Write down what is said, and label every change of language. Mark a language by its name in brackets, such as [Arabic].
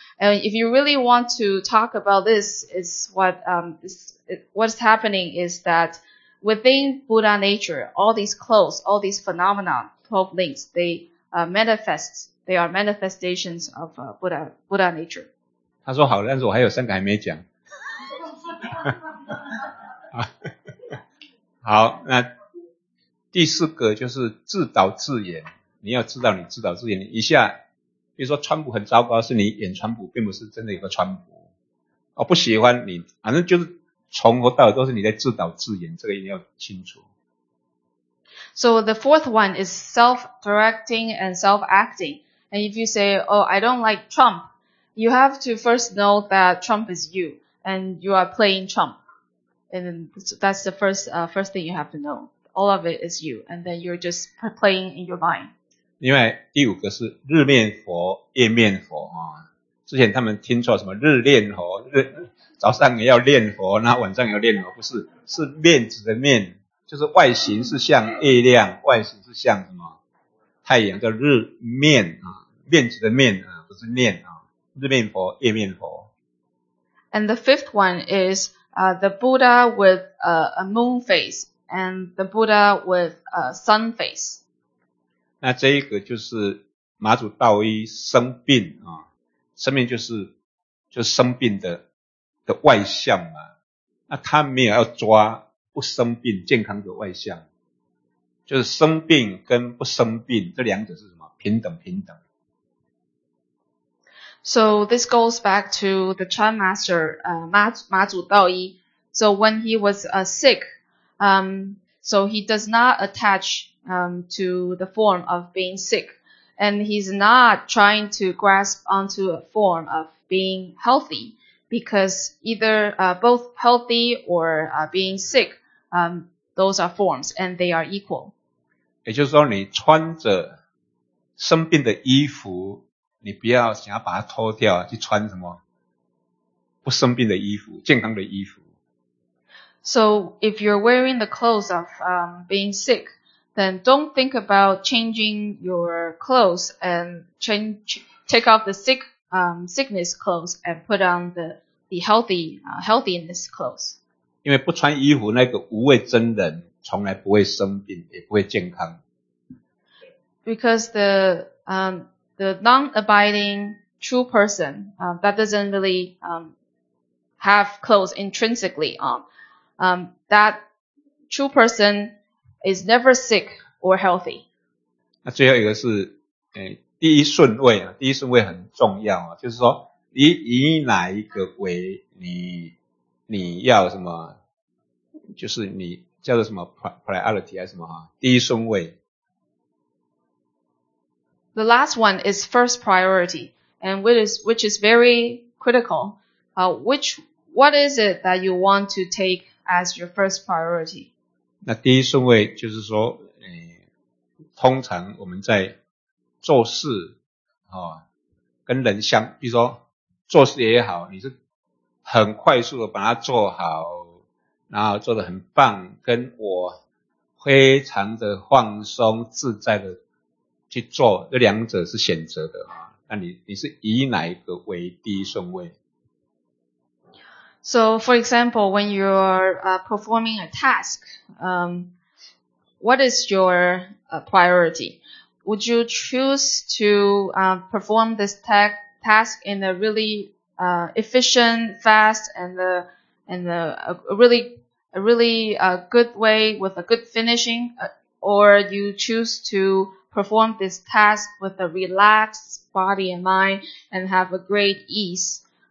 [English] And if you really want to talk about this, is what's happening is that within Buddha nature, all these clothes, all these phenomena, 12 links, they manifest, they are manifestations of Buddha nature. [Chinese] 他说好，但是我还有三个还没讲。好，那第四个就是自导自演。你要知道你自导自演一下，比如说川普很糟糕，是你演川普，并不是真的有个川普。我不喜欢你，反正就是从头到尾都是你在自导自演，这个一定要清楚。 [English] So the fourth one is self-directing and self-acting. And if you say, oh, I don't like Trump, you have to first know that Trump is you and you are playing Trump. And that's the first thing you have to know. All of it is you. And then you're just playing in your mind. [Chinese] 另外第五个是日念佛、夜念佛、啊、之前他们听错什么日念佛日，早上也要念佛，那晚上也要念佛，不是，是面子的面，就是外形是像月亮，外形是像什么太阳，叫日面、啊、面子的面、啊、不是念、啊、日念佛、夜念佛。 [English] And the fifth one is the Buddha with a moon face and the Buddha with a sun face。 [Chinese] 那这一个就是马祖道一生病啊，生病就是生病的外相嘛。那他没有要抓不生病健康的外相，就是生病跟不生病这两者是什么平等平等。 [English] So this goes back to the Chan Master, 马祖道一。 So when he was sick, so he does not attach. To the form of being sick, and he's not trying to grasp onto a form of being healthy, because either both healthy or being sick, those are forms and they are equal. [Chinese] 也就是说，你穿着生病的衣服，你不要想要把它脱掉去穿什么不生病的衣服，健康的衣服。 [English] So if you're wearing the clothes of being sick. Then don't think about changing your clothes and take off the sickness clothes and put on the healthiness clothes. [Chinese] 因为不穿衣服，那个无畏真人从来不会生病，也不会健康。 [English] Because the non-abiding true person that doesn't really have clothes intrinsically on, that true person is never sick. Or healthy. [Chinese] 那最后一个是、第一顺位、啊、第一顺位很重要、啊、就是说你以哪一个为你要什么，就是你叫做什么 priority 还是什么、啊、第一顺位。 [English] The last one is first priority, and which is very critical. What is it that you want to take as your first priority? [Chinese] 那第一顺位就是说通常我们在做事、哦、跟人相，比如说做事也好，你是很快速的把它做好，然后做得很棒，跟我非常的放松自在的去做，这两者是选择的、哦、那你是以哪一个为第一顺位？ [English] So for example, when you're performing a task, What is your priority? Would you choose to perform this task in a really efficient, fast, and a really good way with a good finishing, or you choose to perform this task with a relaxed body and mind and have a great ease?